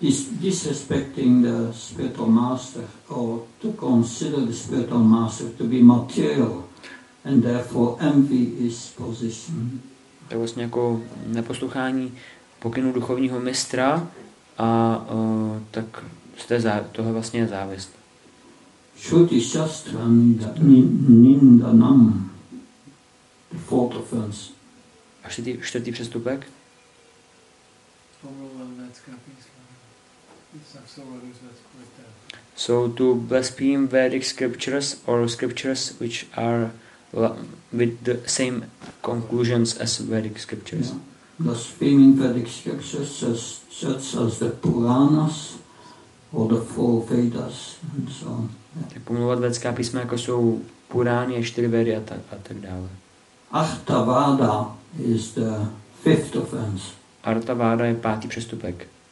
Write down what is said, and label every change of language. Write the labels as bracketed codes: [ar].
[en] Disrespecting the spiritual master, or to consider the spiritual master to be material, and therefore envy his position. [cs] To je vlastně jako neposlouchání pokynu duchovního mistra a tak tohle vlastně je závist. [en] Shruti Shastra Nindanam, the fourth offense. [cs] A čtvrtý přestupek? [en] So to blaspheme Vedic scriptures or scriptures which are with the same conclusions as Vedic scriptures. Blaspheming Vedic scriptures such as the Puranas or the four Vedas and so on. [cs] Tak pomluvat vedská písma, jako jsou Purány a čtyři Vedy a tak dále. [en] Artavada is the fifth offense. [cs] Artavada je pátý přestupek.